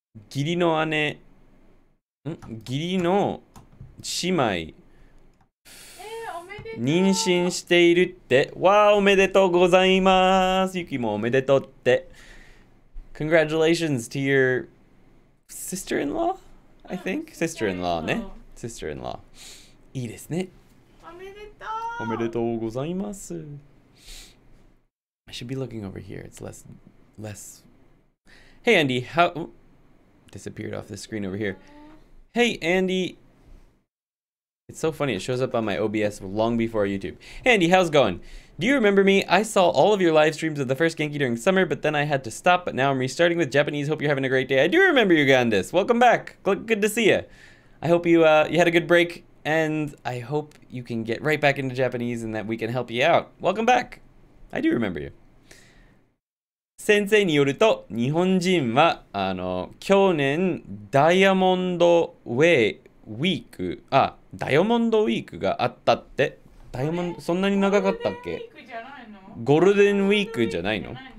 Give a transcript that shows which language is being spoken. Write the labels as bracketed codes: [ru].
[ja] ギリの姉ん、ギリの姉妹、妊娠しているって、わあおめでとうございます。ゆきもおめでとうって。 [en] Congratulations to your sister-in-law, I think. [ja] Sister-in-law ね。Sister-in-law。 いいですね。おめでとう。おめでとうございます。 [en] I should be looking over here. It's less. Hey, Andy, how... Oh, disappeared off the screen over here. Hey, Andy. It's so funny. It shows up on my OBS long before YouTube. Hey, Andy, how's it going? Do you remember me? I saw all of your live streams of the first Genki during summer, but then I had to stop. But now I'm restarting with Japanese. Hope you're having a great day. I do remember you, Gandis. Welcome back. Good to see you. I hope you had a good break, and I hope you can get right back into Japanese and that we can help you out. Welcome back. I do remember you. [ja] 先生によると、日本人は、去年、ダイヤモンドウェイウィーク、あ、ダイヤモンドウィークがあったって、ダイヤモンド、そんなに長かったっけ？ゴールデンウィークじゃないの？